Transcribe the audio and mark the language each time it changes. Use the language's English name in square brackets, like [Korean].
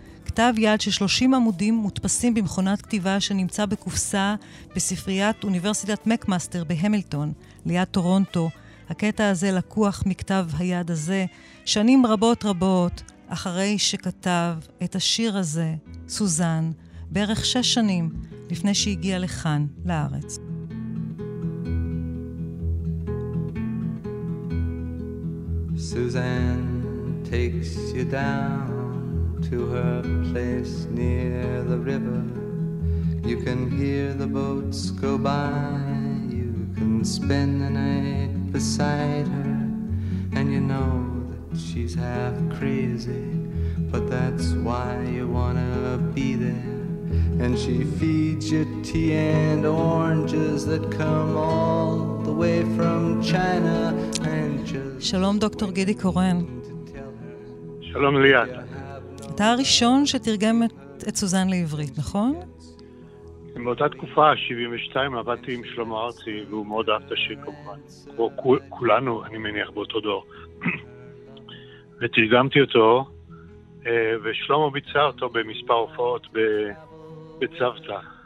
[Hebrew] כתב יד של 30 עמודים מודפסים במכונת כתיבה שנמצא בקופסה בספריית אוניברסיטת מקמאסטר בהמילטון, ליד טורונטו. הקטע הזה לקוח מכתב היד הזה שנים רבות רבות אחרי שכתב את השיר הזה, סוזן, בערך 6 שנים לפני שהגיע לכאן, לארץ. [English] סוזן takes you down to her place near the river. You can hear the boats go by, you can spend the night beside her, and you know that she's half crazy, but that's why you wanna be there. And she feeds you tea and oranges that come all the way from China. And just [Hebrew] שלום דוקטור גידי קורן. שלום ליאת. אתה הראשון שתרגם את סוזן לעברית, נכון? באותה תקופה, 72, עבדתי עם שלום ארצי, והוא מאוד אהב את השיר, כמובן. כולנו, אני מניח, באותו דור. ותרגמתי אותו, ושלמה ביצע אותו במספר הופעות בצוותא.